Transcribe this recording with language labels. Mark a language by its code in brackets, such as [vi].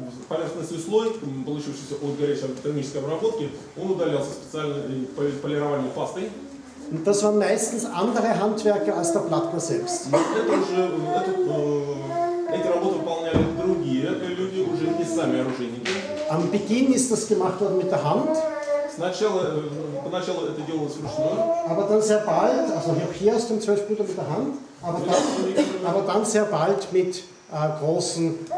[ru] Поверхностный слой, получившийся от горячей термической обработки, он удалялся специальной полированной пастой. [de] Das waren meistens andere Handwerker als der Plattner selbst. [ru] Эти работы выполняли другие люди, уже не сами оружейники. [de] Am Beginn ist das gemacht worden mit der Hand. [ru] Поначалу это делалось вручную. [de] Aber dann sehr bald, also hier aus dem 12-Puter mit der Hand, aber dann sehr bald mit großen